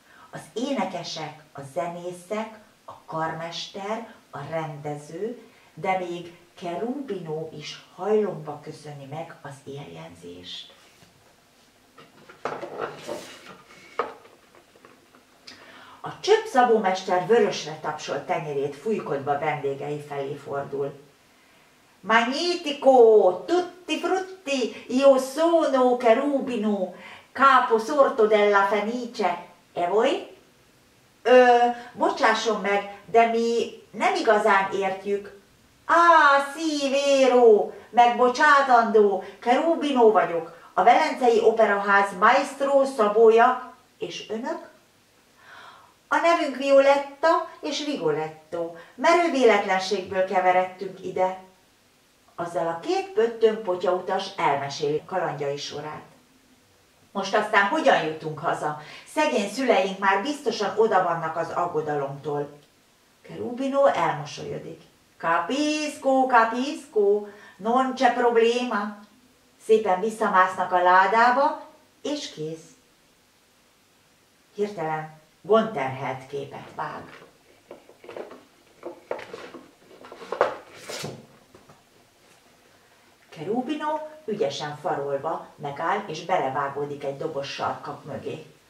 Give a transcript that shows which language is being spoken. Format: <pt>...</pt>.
<hu>Az énekesek, a zenészek, a karmester, a rendező, de még Cherubino is hajlomba köszöni meg az éljegyzést. A csöpp szabómester vörösre tapsolt tenyerét fújkodva vendégei felé fordul.</hu> <it>Magnifico, tutti frutti, io sono Cherubino, capo sorto della Fenice, e voi?</it> <hu>Bocsásson meg, de mi nem igazán értjük.</hu> <it>Sí, Véro,</it> <hu>megbocsátandó, Cherubino vagyok, a Velencei Operaház maestro szabója, és önök? A nevünk Violetta és Rigoletto, merő véletlenségből keveredtünk ide. Azzal a két pöttöm potyautas elmeséli kalandjai sorát. Most aztán hogyan jutunk haza? Szegény szüleink már biztosan oda vannak az aggodalomtól. Cherubino elmosolyodik.</hu> <it>Capisco, capisco, non c'è problema.</it> <hu>Szépen visszamásznak a ládába, és kész. Hirtelen gondterhelt képet vág. Cherubino ügyesen farolva megáll és belevágódik egy dobos sarkak mögé.</hu>